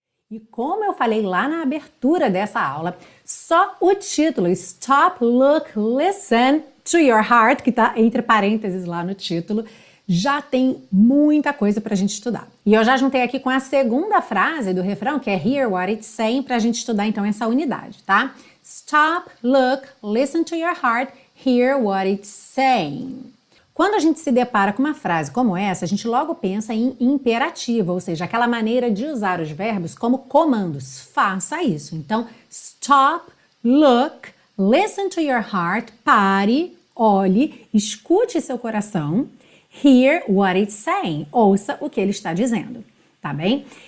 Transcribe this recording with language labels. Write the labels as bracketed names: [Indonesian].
[Portuguese] E como eu falei lá na abertura dessa aula, só o título [English] Stop, Look, Listen to Your Heart, [Portuguese] que está entre parênteses lá no título, já tem muita coisa para a gente estudar. E eu já juntei aqui com a segunda frase do refrão, que é [English] Hear What It's Saying, [Portuguese] para a gente estudar então essa unidade, tá? [English] Stop, look, listen to your heart, hear what it's saying. [Portuguese] Quando a gente se depara com uma frase como essa, a gente logo pensa em imperativo, ou seja, aquela maneira de usar os verbos como comandos. Faça isso. Então, [English] stop, look, listen to your heart, [Portuguese] pare, olhe, escute seu coração, [English] hear what it's saying, [Portuguese] ouça o que ele está dizendo, tá bem?